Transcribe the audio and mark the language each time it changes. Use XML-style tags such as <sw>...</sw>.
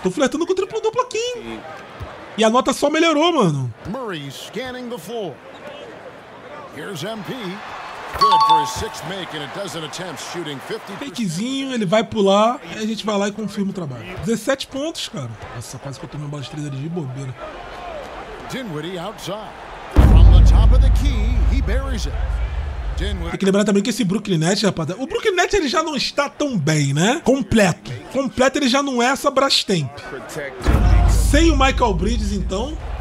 <pt>Tô flertando com o triplo duplo aqui, hein? E a nota só melhorou, mano.</pt> <en>Murray scanning the floor. Here's MP. Good for his sixth make in a dozen attempts, shooting 50%.</en> <pt>Fakezinho, ele vai pular. E a gente vai lá e confirma o trabalho. 17 pontos, cara. Nossa, quase que eu tomei uma bola de 3 ali de bobeira.</pt> <en>Dinwiddie outside. From the top of the key, he buries it.</en> <pt>Tem que lembrar também que esse Brooklyn Nets, rapaziada. O Brooklyn Nets ele já não está tão bem, né? Completo. Completo ele já não é essa Brastemp. Sem o Michael Bridges, então.</pt>